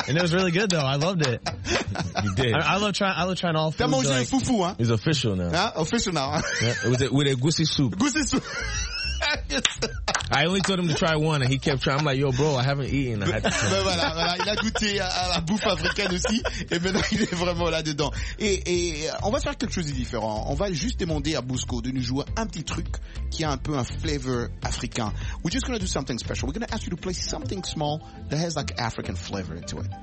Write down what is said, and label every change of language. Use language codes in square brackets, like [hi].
[en] And it was really good though. I loved it. You did. I love trying all foods. [fr] T'as mangé un fufu, hein? [en] It's official now. Yeah, official now. Yeah, it was with a goosey soup. Goosey soup. I only told him to try one and he kept trying. I'm like, yo bro, I haven't eaten. I had to try. [fr] Ben voilà, il a goûté à la bouffe africaine aussi et maintenant il est vraiment là-dedans. Et on va faire quelque chose de différent. On va juste demander à Bousco de nous jouer un petit truc qui a un peu un flavor africain. [en] We're just going to do something special. We're going to ask you to play something small that has like African flavor into it.